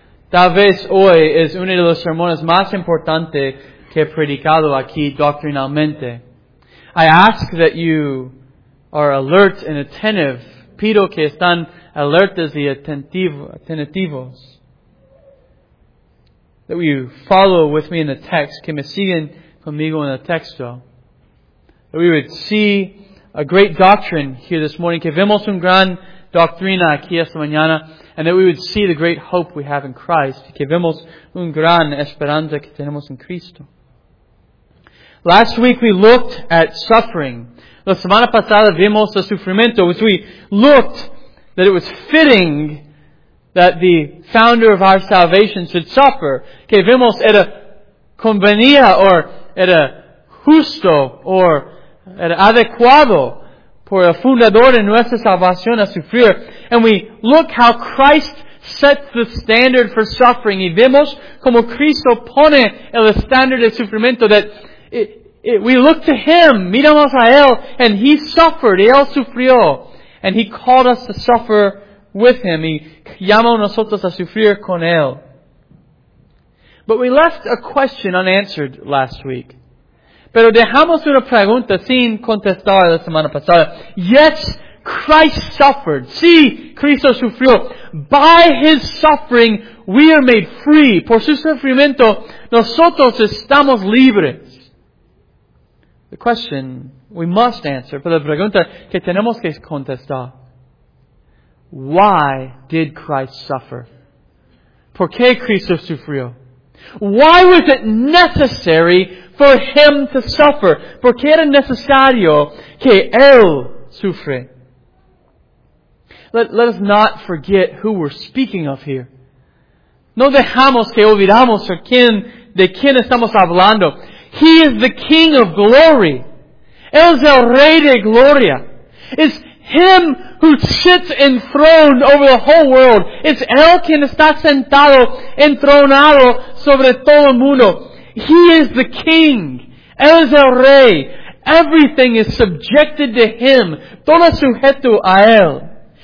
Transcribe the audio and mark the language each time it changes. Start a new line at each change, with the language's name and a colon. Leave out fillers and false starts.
Spanish: Tal vez hoy es uno de los sermones más importantes que he predicado aquí doctrinalmente.
English: I ask that you are alert and attentive.
Spanish: Pido que están alertas y atentivos.
English: That we follow with me in the text.
Spanish: Que me sigan conmigo en el texto.
English: That we would see a great doctrine here this morning.
Spanish: Que vemos un gran doctrina aquí esta mañana.
English: And that we would see the great hope we have in Christ.
Spanish: Que vemos un gran esperanza que tenemos en Cristo.
English: Last week we looked at suffering.
Spanish: La semana pasada vimos el sufrimiento,
English: which we looked that it was fitting that the founder of our salvation should suffer.
Spanish: Que vimos era convenía, or era justo, or era adecuado por el fundador de nuestra salvación a sufrir.
English: And we look how Christ sets the standard for suffering.
Spanish: Y vimos como Cristo pone el estándar de sufrimiento
English: that we look to Him,
Spanish: miramos a Él,
English: and He suffered,
Spanish: Él sufrió.
English: And He called us to suffer with Him.
Spanish: Y llamó nosotros a sufrir con Él.
English: But we left a question unanswered last week.
Spanish: Pero dejamos una pregunta sin contestar la semana pasada.
English: Yes, Christ suffered.
Spanish: Sí, Cristo sufrió.
English: By His suffering, we are made free.
Spanish: Por su sufrimiento, nosotros estamos libres.
English: The question we must answer,
Spanish: pero la pregunta que tenemos que contestar,
English: why did Christ suffer?
Spanish: ¿Por qué Cristo sufrió?
English: Why was it necessary for Him to suffer?
Spanish: ¿Por qué era necesario que Él sufre?
English: Let us not forget who we're speaking of here.
Spanish: No dejamos que olvidamos de quién estamos hablando.
English: He is the King of glory.
Spanish: Él es el Rey de Gloria.
English: It's Him who sits enthroned over the whole world.
Spanish: It's Él quien está sentado, entronado sobre todo el mundo.
English: He is the King.
Spanish: Él es el Rey.
English: Everything is subjected to Him.
Spanish: Todo sujeto a Él.